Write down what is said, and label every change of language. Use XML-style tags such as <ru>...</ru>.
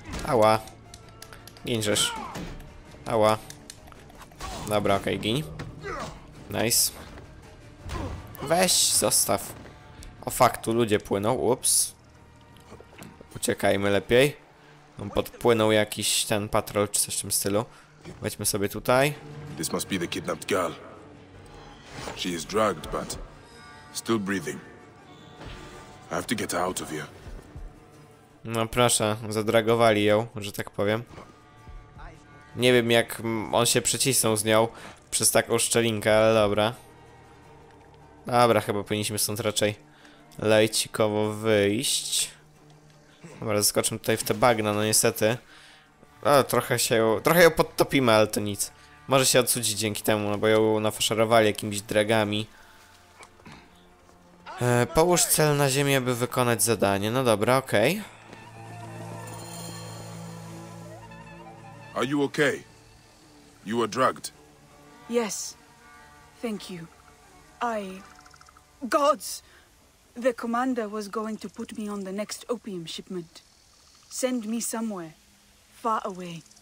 <pl>Ała. Ginżesz. Ała. Dobra, okej, gin. Nice. Weź, zostaw. O faktu, ludzie płyną. Ups. Uciekajmy lepiej. On podpłynął jakiś ten patrol, czy coś w tym stylu. Weźmy sobie tutaj.</pl> <en>This must be the kidnapped girl. She is drugged, but still breathing. I have to get her out of here.</en> <pl>No proszę, zadragowali ją, że tak powiem. Nie wiem, jak on się przecisnął z nią przez taką szczelinkę, ale dobra. Dobra, chyba powinniśmy stąd raczej lejcikowo wyjść. Dobra, zaskoczymy tutaj w te bagna, no niestety. O, trochę ją podtopimy, ale to nic. Może się odsudzić dzięki temu, no bo ją nafaszerowali jakimiś dragami. Połóż cel na ziemię, aby wykonać zadanie. No dobra, okej.</pl> <en>Are you okay? You were drugged. Yes. Thank you. I... Gods! The commander was going to put me on the next opium shipment. Send me somewhere. Far away.</en>